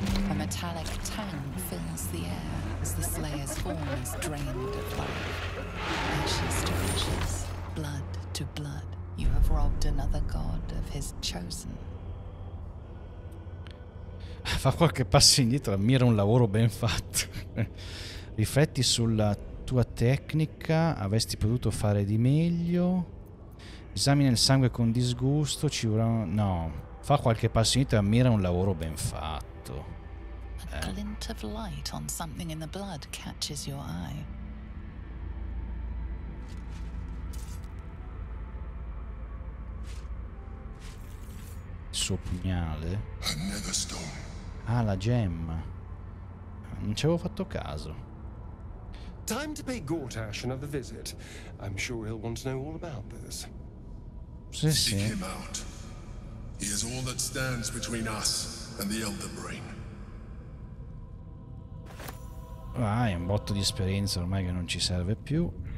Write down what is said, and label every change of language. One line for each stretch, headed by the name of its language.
English: a metallic tongue fills the air as the slayer's form is drained of life. Ashes to ashes, blood to blood, you have robbed another god of his chosen.
Italian: Fa qualche passo indietro, ammira un lavoro ben fatto. Rifletti sulla tua tecnica, avresti potuto fare di meglio. Esamina il sangue con disgusto, ci vorrà... no. Fa qualche passo indietro e ammira un lavoro ben fatto.
English: A glint of light on something in the blood catches your eye.
Italian: Il suo pugnale. Ah, la gemma. Non ci avevo fatto caso.
English: Time to pay Gortash another visit. I'm sure he'll want to know all about this.
Italian: Sì, sì.
English: Seek him out. He is all that stands between us and the Elder Brain.
Italian: Vai, un botto di esperienza ormai che non ci serve più.